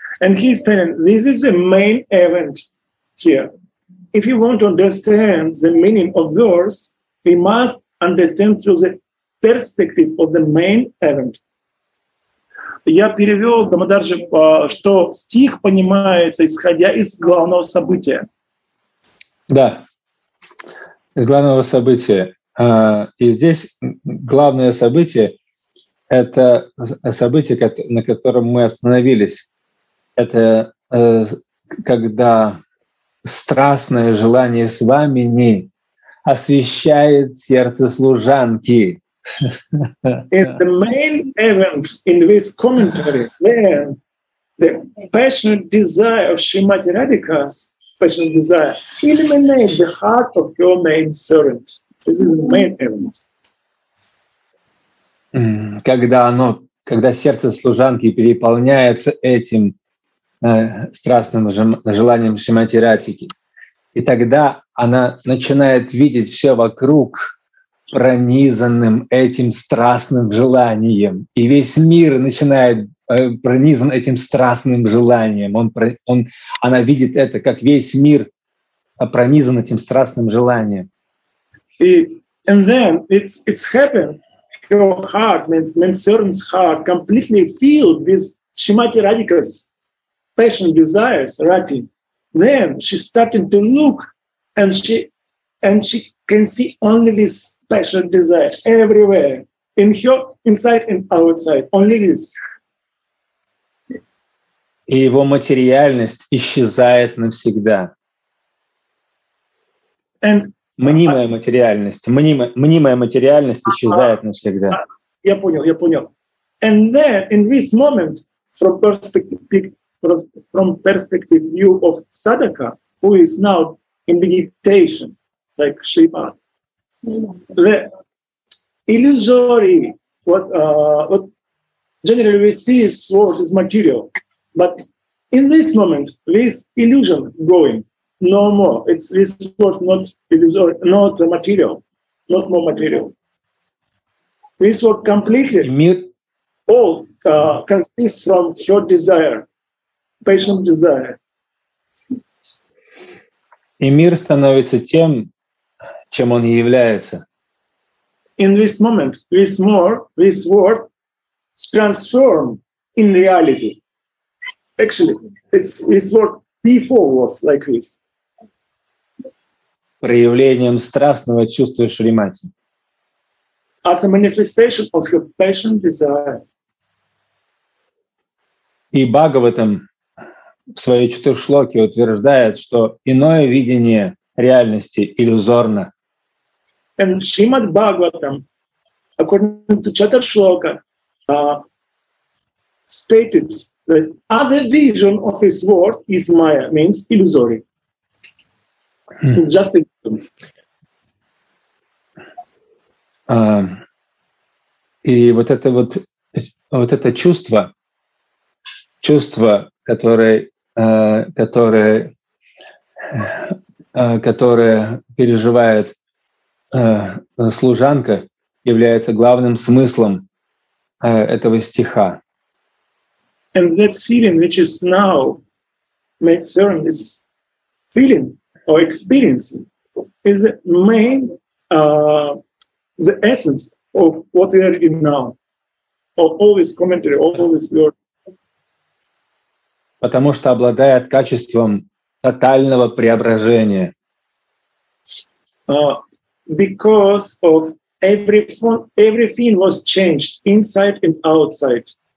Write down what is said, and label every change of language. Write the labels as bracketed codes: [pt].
[en] And he's telling, this is a main event here. If you want to understand the meaning of verse, we must understand through the perspective of the main event. [ru] Я перевел, Дамодар же, что стих понимается, исходя из главного события. Да, из главного события. И здесь главное событие — это событие, на котором мы остановились. Это когда страстное желание свамини освещает сердце служанки. [en] In the main event in this commentary, then the passionate desire of Srimati Radhika's passionate desire illuminates the heart of your main servant. This is the main event. [ru] Когда сердце служанки переполняется этим страстным желанием Шримати Радхики, и тогда она начинает видеть все вокруг пронизанным этим страстным желанием. И весь мир начинает пронизан этим страстным желанием. Она видит это, как весь мир пронизан этим страстным желанием. [en] And then it's happened. Your heart, manservant's heart, completely filled with Srimati Radhika's passion, desires, Rati. Then she started to look and she can see only this passionate desire everywhere, in her, inside and outside, only this. [ru] И его материальность исчезает навсегда. [en] And [ru] мнимая материальность, мнимая материальность исчезает навсегда. Я понял. [en] And then, in this moment, from perspective view of Sadaka, who is now in meditation, like Shiva. The illusory, what generally we see is what is material, but In this moment, this illusion going no more. It's this word not illusory, not material, not more material. This word completely all consists from your desire, patient desire. [ru] И мир становится тем, чем он является. [en] In this moment, this word transformed in reality. Actually, it's this word before was like this. [ru] Проявлением страстного чувства Шримати. [en] As a manifestation of her passion desire. [ru] И Бхагаватам в своей четвёртой утверждает, что иное видение реальности иллюзорно. [en] And Shrimad Bhagavatam, according to Chatur-shloka, stated that other vision of this world is Maya, means illusory. It's just a vision. [ru] И вот это вот, вот это чувство, чувство, которое которое переживает служанка, является главным смыслом этого стиха. [en] And that feeling, which is now made certain, is feeling or experience, is the main the essence of what we are in now, of all this commentary, all this word. [ru] Потому что обладает качеством тотального преображения. [en] Because of everything was changed inside and outside.